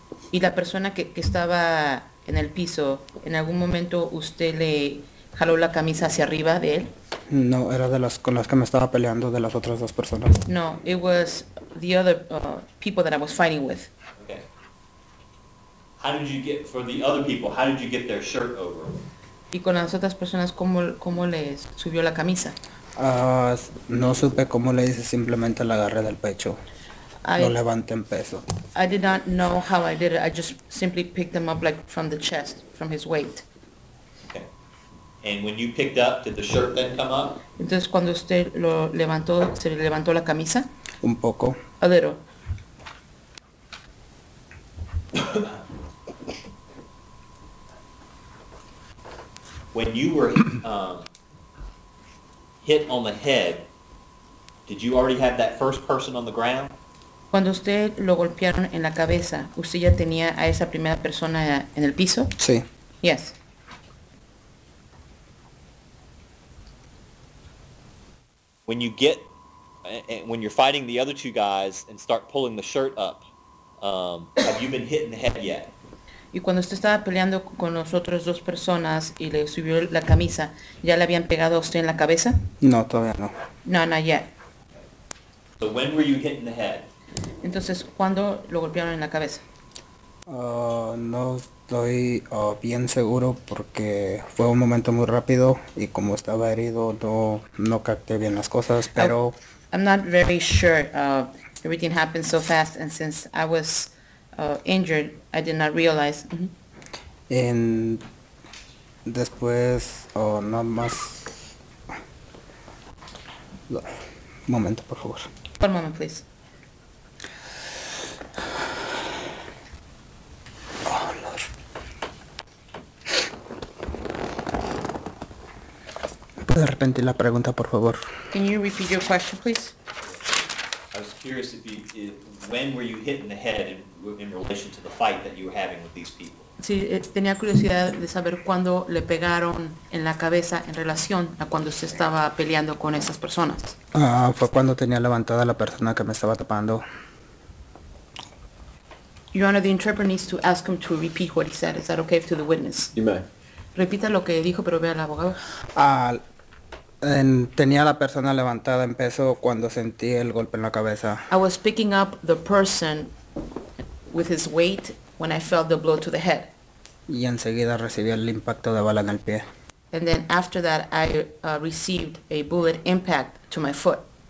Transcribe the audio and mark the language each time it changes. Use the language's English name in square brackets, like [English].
[Spanish] ¿Y la persona que estaba en el piso, en algún momento usted le jaló la camisa hacia arriba de él? No, era de las con las que me estaba peleando, de las otras dos personas. [English] No, it was the other people that I was fighting with. Okay. How did you get, for the other people, how did you get their shirt over? [Spanish] ¿Y con las otras personas cómo les subió la camisa? No supe cómo le hice, simplemente la agarré del pecho. Lo levanté en peso. [English] I did not know how I did it. I just simply picked them up like from the chest, from his weight. And when you picked up, did the shirt then come up? [Spanish] Entonces cuando usted lo levantó, ¿se le levantó la camisa? Un poco. [English] A little. When you were hit on the head, did you already have that first person on the ground? [Spanish] Cuando usted lo golpearon en la cabeza, ¿usted ya tenía a esa primera persona en el piso? Sí. [English] Yes. When you get, when you're fighting the other two guys and start pulling the shirt up, have you been hit in the head yet? [Spanish] Y cuando usted estaba peleando con las otras dos personas y le subió la camisa, ¿ya le habían pegado a usted en la cabeza? No, todavía no. [English] No, not yet. So when were you hit in the head? [Spanish] Entonces, ¿cuándo lo golpearon en la cabeza? No estoy bien seguro porque fue un momento muy rápido y como estaba herido no capté bien las cosas, pero [English] I'm not very sure. Everything happened so fast, and since I was injured, I did not realize. [Spanish] En después nada más momento, por favor. [English] One moment, please. [Spanish] De repente la pregunta, por favor. [English] Can you repeat your question, please? I was curious when were you hit in the head in relation to the fight that you were having with these people? [Spanish] Sí, tenía curiosidad de saber cuándo le pegaron en la cabeza en relación a cuando se estaba peleando con esas personas. Fue cuando tenía levantada la persona que me estaba tapando. [English] Your Honor, the interpreter needs to ask him to repeat what he said. Is that okay to the witness? You may. [Spanish] Repita lo que dijo, pero vea al abogado. Tenía la persona levantada en peso cuando sentí el golpe en la cabeza. [English] I was picking up the person with his weight when I felt the blow to the head. [Spanish] Y enseguida recibí el impacto de bala en el pie. [English] And then after that, I received a bullet impact to my foot.